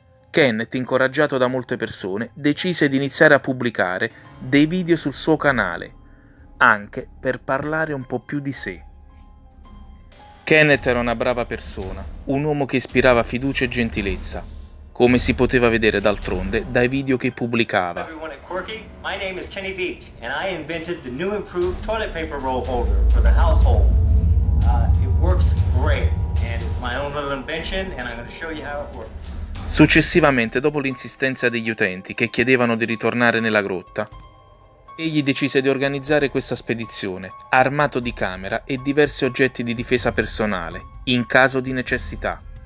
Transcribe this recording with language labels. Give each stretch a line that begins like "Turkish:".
Italian: Kenneth, incoraggiato da molte persone, decise di iniziare a pubblicare dei video sul suo canale, anche per parlare un po' più di sé. Kenneth era una brava persona, un uomo che ispirava fiducia e gentilezza, come si poteva vedere d'altronde dai video che pubblicava.
English: My name is Kenny Beach and I invented the new improved toilet paper roll holder for the household. It works great and it's my own little invention and I'm going to show you how it works.
Italian: Successivamente, dopo l'insistenza degli utenti che chiedevano di ritornare nella grotta, egli decise di organizzare questa spedizione, armato di camera e diversi oggetti di difesa personale, in caso di necessità.